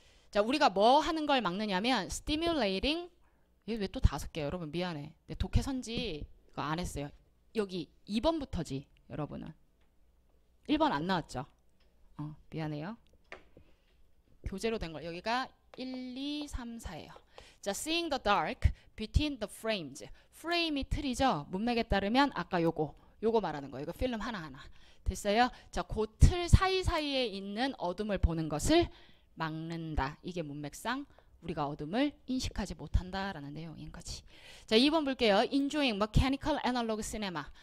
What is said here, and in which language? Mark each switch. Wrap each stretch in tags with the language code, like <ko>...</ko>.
<ko>자 우리가 뭐 하는 걸 막느냐면 stimulating 얘 왜 또 다섯 개야 여러분 미안해. 내 독해선지 그거 안 했어요. 여기 2번부터지 여러분은. 1번 안 나왔죠. 미안해요. 교재로 된 걸 여기가 1, 2, 3, 4예요.</ko> <en>자 seeing the dark between the frames.</en> <ko>프레임이 틀이죠. 문맥에 따르면 아까 요거 요거 말하는 거예요. 이거 필름 하나하나. 됐어요? 자, 그 틀 사이사이에 있는 어둠을 보는 것을 막는다. 이게 문맥상 우리가 어둠을 인식하지 못한다라는 내용인 거지. 자, 2번 볼게요.</ko> <en>Enjoying mechanical analog cinema.</en>